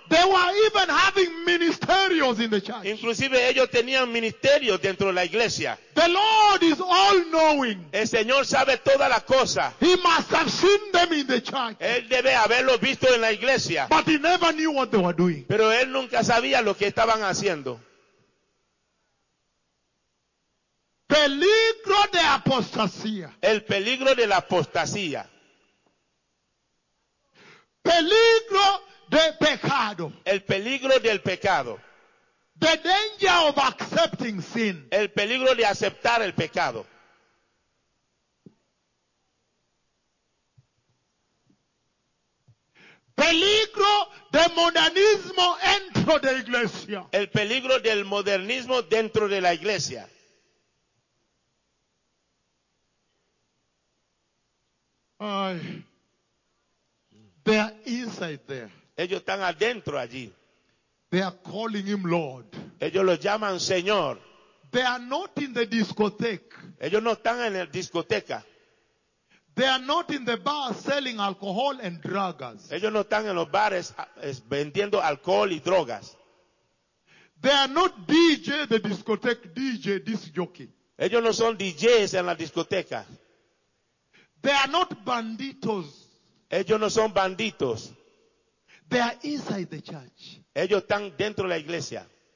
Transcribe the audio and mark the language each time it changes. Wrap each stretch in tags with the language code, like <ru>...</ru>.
<en>They were even having ministerios in the church.</en> <es>Inclusive ellos tenían ministerios dentro de la iglesia.</es> <en>The Lord is all knowing.</en> <es>El Señor sabe toda la cosa.</es> <en>He must have seen them in the church.</en> <es>Él debe haberlo visto en la iglesia.</es> <en>But he never knew what they were doing.</en> <es>Pero él nunca sabía lo que estaban haciendo. Peligro de apostasía. El peligro de la apostasía. Peligro de pecado. El peligro del pecado.</es> <en>The danger of accepting sin.</en> <es>El peligro de aceptar el pecado. Peligro de modernismo dentro de la iglesia. El peligro del modernismo dentro de la iglesia.</es> <en>Ay, they are inside there.</en> <es>Ellos están adentro allí.</es> <en>They are calling him Lord.</en> <es>Ellos lo llaman Señor.</es> <en>They are not in the discotheque.</en> <es>Ellos no están en la discoteca.</es> <en>They are not in the bar selling alcohol and drugs.</en> <es>Ellos no están en los bares vendiendo alcohol y drogas.</es> <en>They are not DJ, the discotheque DJ, this jockey.</en> <es>Ellos no son DJs en la discoteca.</es> <en>They are not banditos.</en> <es>Ellos no son banditos.</es> <en>They are inside the church.</en> <es>Ellos están dentro de la iglesia.</es>